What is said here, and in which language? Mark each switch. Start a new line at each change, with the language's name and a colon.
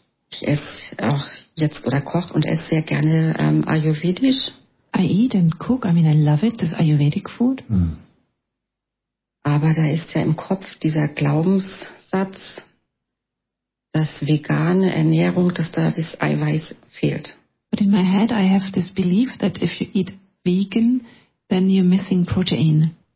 German: Ich esse auch jetzt oder koche und esse sehr gerne ayurvedisch.
English: I eat and cook. I mean, I love it, this ayurvedic food.
German: Aber da ist ja im Kopf dieser Glaubenssatz, dass vegane Ernährung, dass da das Eiweiß fehlt.
English: But in my head I have this belief that if you eat vegan, then you're missing protein.